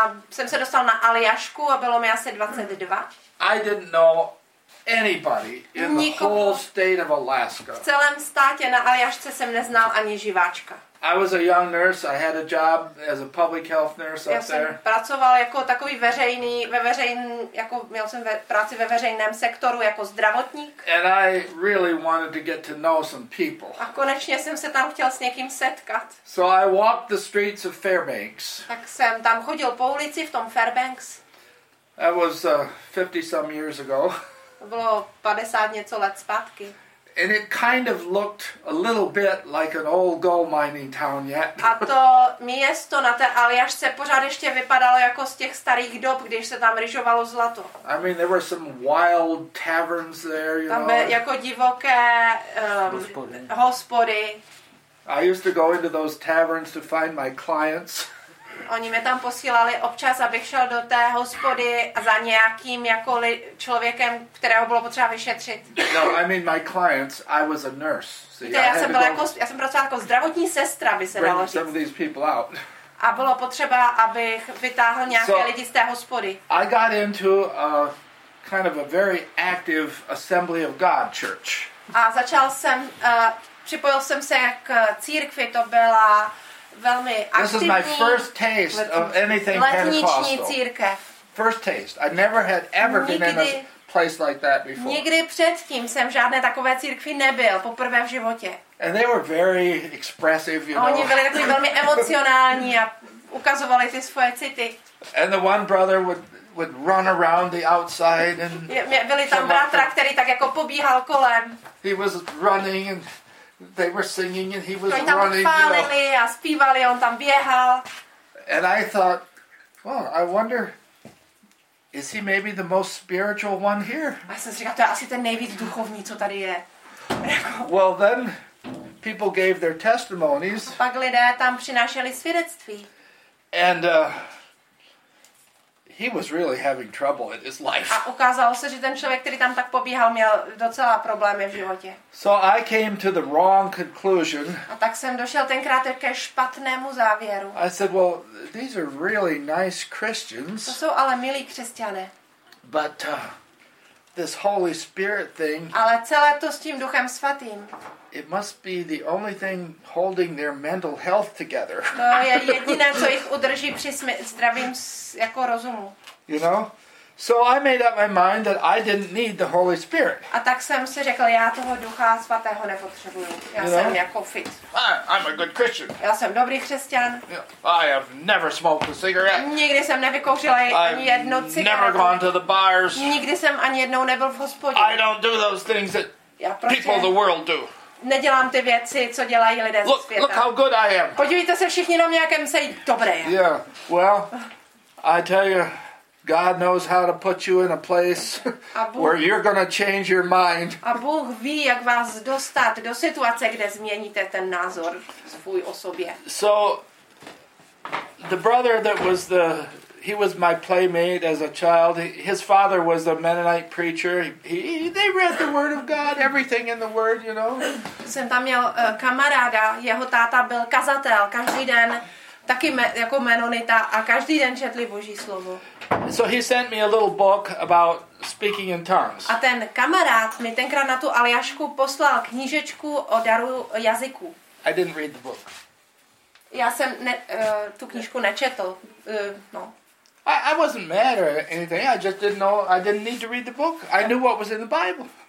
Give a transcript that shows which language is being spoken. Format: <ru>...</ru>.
<cs>Jsem se dostal na Aljašku a bylo mi asi 22.</cs> <en>I didn't know anybody in the whole state of Alaska.</en> <cs>V celém státě na Aljašce jsem neznal ani živáčka.</cs> <en>I was a young nurse. I had a job as a public health nurse up there.</en> <cs>Já jsem pracoval jako takový veřejný, měl jsem práci ve veřejném sektoru jako zdravotník.</cs> <en>And I really wanted to get to know some people.</en> <cs>A konečně jsem se tam chtěl s někým setkat.</cs> <en>So I walked the streets of Fairbanks.</en> <cs>Tak jsem tam chodil po ulici v tom Fairbanks.</cs> <en>That was 50 some years ago.</en> <cs>To bylo 50 něco let zpátky.</cs> <en>And it kind of looked a little bit like an old gold mining town yet.</en> <cs>A to město na té Aljašce pořád ještě vypadalo jako z těch starých dob, když se tam ryžovalo zlato.</cs> <en>I mean, there were some wild taverns there, you</en> <cs>tam</cs> <en>know.</en> <cs>Tam jako divoké hospody.</cs> <en>I used to go into those taverns to find my clients.</en> <cs>Oni mě tam posílali občas, abych šel do té hospody za nějakým jako člověkem, kterého bylo potřeba vyšetřit.</cs> <en>No, I mean my clients, I was a nurse.</en> <cs>Víte, já jsem pracovala jako zdravotní sestra, by se dalo říct.</cs> <en>Some of these people out.</en> <cs>A bylo potřeba, abych vytáhl nějaké lidi z té hospody.</cs> <en>I got into a kind of a very active Assembly of God church.</en> <cs>A začal jsem, připojil jsem se k církvi, to byla velmi aktivní.</cs> <en>This is my first taste of anything Pentecostal. First taste. I never had ever been in a place like that before.</en> <cs>Nikdy předtím jsem v žádné takové církvi nebyl, poprvé v životě.</cs> <en>And they were very expressive, you know.</en> <cs>Oni byli takový velmi emocionální a ukazovali ty svoje city.</cs> <en>And the one brother would run around the outside and</en> <cs>byli tam bratra, který tak jako pobíhal kolem.</cs> <en>He was running and they were singing and he was running.</en> <cs>Tam chválili a zpívali, on tam běhal.</cs> <en>And I thought, well, I wonder, is he maybe the most spiritual one here?</en> <cs>A jsem si říkal, to je asi ten nejvíc duchovní, co tady je.</cs> <en>Well, then people gave their testimonies.</en> <cs>A pak lidé tam přinášeli svědectví.</cs> <en>And he was really having trouble in his life.</en> <cs>A ukázalo se, že ten člověk, který tam tak pobíhal, měl docela problémy v životě.</cs> <en>So I came to the wrong conclusion.</en> <cs>A tak jsem došel tenkrát ke špatnému závěru.</cs> <en>I said, well, these are really nice Christians.</en> <cs>To jsou ale milí křesťané.</cs> <en>But this Holy Spirit thing.</en> <cs>Ale celé to s tím Duchem Svatým.</cs> <en>It must be the only thing holding their mental health together.</en> <cs>To je jediné, co jich udrží při zdravím jako rozumu.</cs> <en>You know? So I made up my mind that I didn't need the Holy Spirit.</en> <cs>A tak jsem si řekl, já toho Ducha Svatého nepotřebuju. Já jsem jako fit.</cs> <en>I'm a good Christian.</en> <cs>Já jsem dobrý křesťan.</cs> <en>I have never smoked a cigarette.</en> <cs>Nikdy jsem nevykouřil ani jednu cigaretu.</cs> <en>I've never gone to the bars.</en> <cs>Nikdy jsem ani jednou nebyl v hospodě.</cs> <en>I don't do those things that people of the world do.</en> <cs>Nedělám ty věci, co dělají lidé ze světa.</cs> <en>Look how good I am.</en> <cs>Podívejte se všichni na mě, jak jsem se dobrý.</cs> <en>Yeah. Well, I tell you, God knows how to put you in a place where you're going to change your mind.</en> <cs>A Bůh ví, jak vás dostat do situace, kde změníte ten názor svůj o sobě.</cs> <en>So the brother that was he was my playmate as a child. His father was a Mennonite preacher. They read the word of God, everything in the word, you know.</en> <cs>Jsem tam měl kamaráda, jeho táta byl kazatel, každý den taky jako menonita a každý den četli Boží slovo.</cs> <en>So he sent me a little book about speaking in tongues.</en> <cs>A ten kamarád mi tenkrát na tu Aljašku poslal knížečku o daru jazyku.</cs> <en>I didn't read the book.</en> <cs>Já jsem tu knížku nečetl.</cs> <en>I wasn't mad or anything. I just didn't know. I didn't need to read the book. I knew what was in the Bible.</en>